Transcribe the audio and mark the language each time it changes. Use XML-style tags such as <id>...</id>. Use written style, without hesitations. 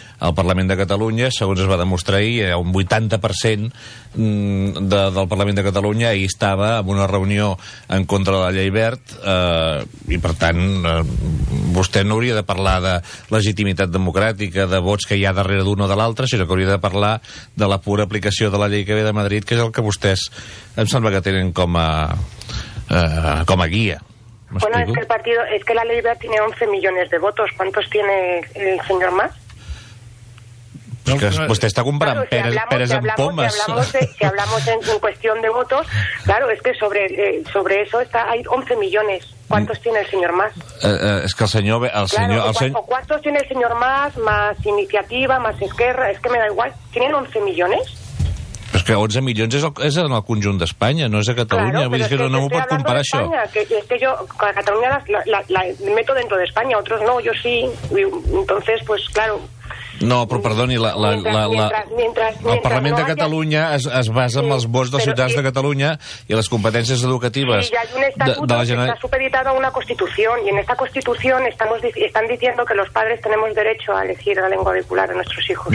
<ca>Al Parlament de Catalunya, segons es va demostrar ahir, hi ha un 80% del Parlament de Catalunya i estava en una reunió en contra de la llei Wert, i per tant vostè no hauria de parlar de legitimitat democràtica, de vots que hi ha darrere d'una o de l'altra, sinó que hauria de parlar de la pura aplicació de la llei que ve de Madrid, que és el que vostès em sembla que tenen com a guia.</ca> <es>Bueno, es que el partido, es que la ley Wert tiene 11 millones de votos. ¿Cuántos tiene el señor más?</es> <ca>Que vostè està comparant peres amb pomes.</ca> <es>Si hablamos en cuestión de votos, claro, es que sobre eso está, hay 11 millones. ¿Cuántos tiene el señor más? Es que el señor... ¿Cuántos tiene el señor más Iniciativa, más Esquerra? Es que me da igual. ¿Tienen 11 millones?</es> <ca>Però és que 11 milions és en el conjunt d'Espanya, no és a Catalunya.</ca> <es>Claro,</es> <ca>vull dir que no m'ho pot comparar, això.</ca> <es>Que yo, a Catalunya la meto dentro de España, otros no, yo sí. Entonces, pues claro...</es> <ca>No, però perdoni, el Parlament de Catalunya es basa en els vots dels ciutadans de Catalunya i les competències educatives de la Generalitat.</ca> <es>Sí, hay un estatuto que está supeditado a una constitución, y en esta constitución están diciendo que los padres tenemos derecho a elegir la lengua vehicular a nuestros hijos.</es>